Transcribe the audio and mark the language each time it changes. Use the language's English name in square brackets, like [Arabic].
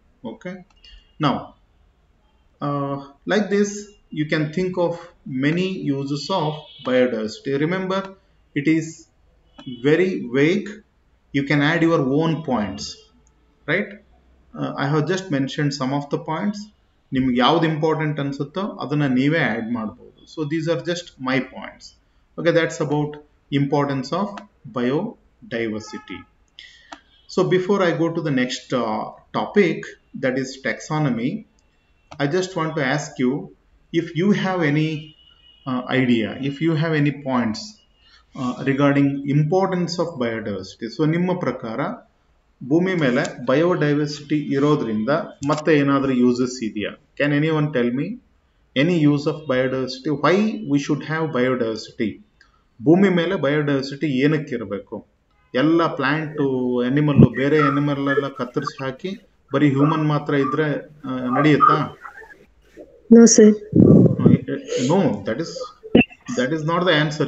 [English] Okay, now like this you can think of many uses of biodiversity. Remember, it is very vague. You can add your own points, right? I have just mentioned some of the points. [Kannada] ನಿಮ್ಗೆ ಯಾವ್ದು important ಅನ್ಸುತ್ತೋ ಅದನ್ನ ನೀವೇ add ಮಾಡ್ಬೋದು. [English] So these are just my points. Okay, that's about importance of biodiversity. So before I go to the next topic, that is taxonomy, I just want to ask you if you have any idea, if you have any points. Regarding importance of biodiversity. [Kannada] So ನಿಮ್ಮ ಪ್ರಕಾರ ಭೂಮಿ ಮೇಲೆ biodiversity ಇರೋದ್ರಿಂದ ಮತ್ತೆ ಏನಾದರೂ uses ಇದೆಯಾ? [English] Can anyone tell me any use of biodiversity? Why we should have biodiversity? [Kannada] ಭೂಮಿ ಮೇಲೆ ಬಯೋಡೈವರ್ಸಿಟಿ ಏನಕ್ಕಿರಬೇಕು? ಎಲ್ಲ ಪ್ಲಾಂಟು ಎನಿಮಲ್ಲು ಬೇರೆ ಎನಿಮಲ್ ಎಲ್ಲ ಕತ್ತರಿಸಿ ಹಾಕಿ ಬರೀ ಹ್ಯೂಮನ್ ಮಾತ್ರ ಇದ್ರೆ ನಡೆಯುತ್ತಾ? [English] No, sir. No, that is not the answer.